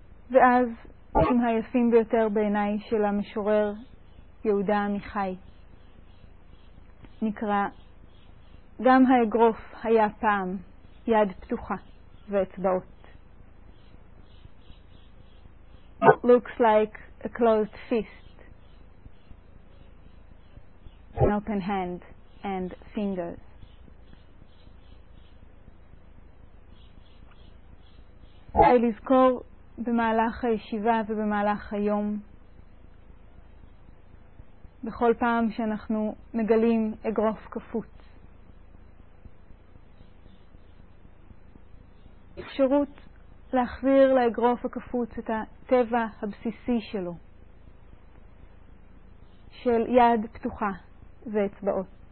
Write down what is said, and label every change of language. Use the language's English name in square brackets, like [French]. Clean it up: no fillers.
[Hebrew] ואז הם היפים ביותר בעיניי של המשורר יהודה עמיחי, נקרא: גם האגרוף היה פעם יד פתוחה ואצבעות. [English] It looks like a closed fist, an open hand and fingers. [Hebrew] כדאי לזכור במהלך הישיבה ובמהלך היום, בכל פעם שאנחנו מגלים אגרוף קפוץ, אפשרות להחזיר לאגרוף הקפוץ את הטבע הבסיסי שלו, של יד פתוחה ואצבעות.